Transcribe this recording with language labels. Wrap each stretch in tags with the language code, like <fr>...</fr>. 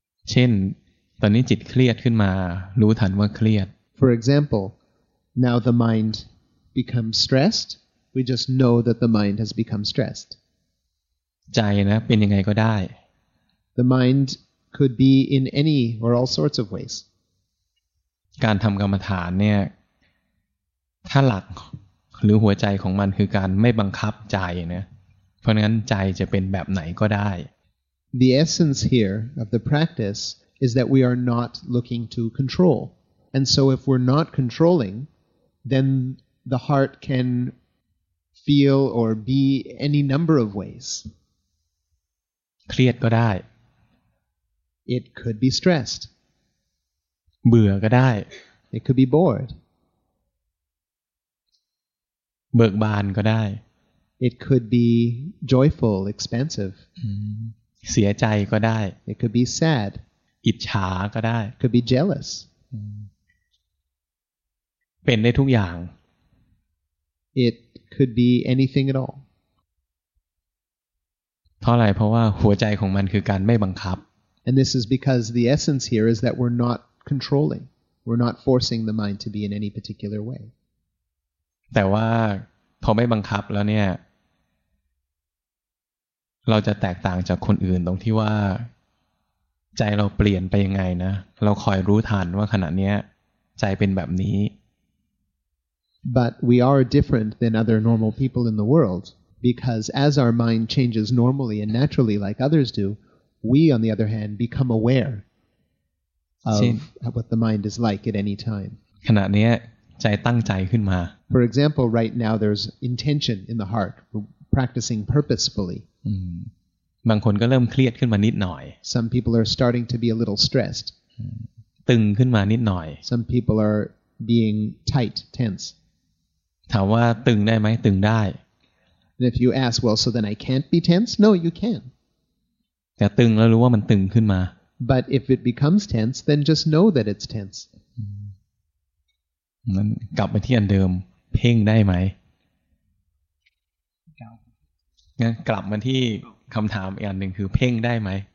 <th>เช่นตอนนี้จิตเครียดขึ้นมารู้ทันว่าเครียด</th> <en>For example now the mind becomes stressed we just know that the mind has become stressed</en> <th>ใจนะเป็นยังไงก็ได้</th> <en>The mind could be in any or all sorts of ways</en> <th>การทำกรรมฐานเนี่ยถ้าหลักหรือหัวใจของมันคือการไม่บังคับใจนะเพราะงั้นใจจะเป็นแบบไหนก็ได้</th> <en>The essence here of the practice is that we are not looking to control. And so if we're not controlling, then the heart can feel or be any number of ways.</en> <th>เครียดก็ได้</th> <en>It could be stressed.</en> <th>เบื่อก็ได้</th> <en>It could be bored.</en> <th>เบิกบานก็ได้</th> <en>It could be joyful, expansive.</en> <th>เสียใจก็ได้</th> <en>It could be sad.</en> <th>อิจฉาก็ได้</th> <en>Could be jealous.</en> <th>เป็นได้ทุกอย่าง</th> <en>It could be anything at all.</en> <th>เพราะอะไรเพราะว่าหัวใจของมันคือการไม่บังคับ</th> <en>And this is because the essence here is that we're not controlling. We're not forcing the mind to be in any particular way.</en> <th>แต่ว่าพอไม่บังคับแล้วเนี่ยเราจะแตกต่างจากคนอื่นตรงที่ว่าใจเราเปลี่ยนไปยังไงนะเราคอยรู้ทันว่าขณะเนี้ยใจเป็นแบบนี้</th> <en>But we are different than other normal people in the world because as our mind changes normally and naturally like others do we on the other hand become aware of what the mind is like at any time</en> <th>ขณะเนี้ยใจตั้งใจขึ้นมา</th> <en>For example, right now there's intention in the heart, practicing purposefully.</en> <th>บางคนก็เริ่มเครียดขึ้นมานิดหน่อย</th> <en>Some people are starting to be a little stressed.</en> <th>ตึงขึ้นมานิดหน่อย</th> <en>Some people are being tight, tense.</en> <th>ถามว่าตึงได้ไหมตึงได้</th> <en>And if you ask, well, so then I can't be tense? No, you can.</en> <th>แต่ตึงแล้วรู้ว่ามันตึงขึ้นมา</th> <en>But if it becomes tense, then just know that it's tense.</en> <th>นั้นกลับไปที่อันเดิมเพ่งได้ไหมงั้นกลับมาที่ คำถามอีกอันหนึ่งคือเพ่งได้ไหม</th>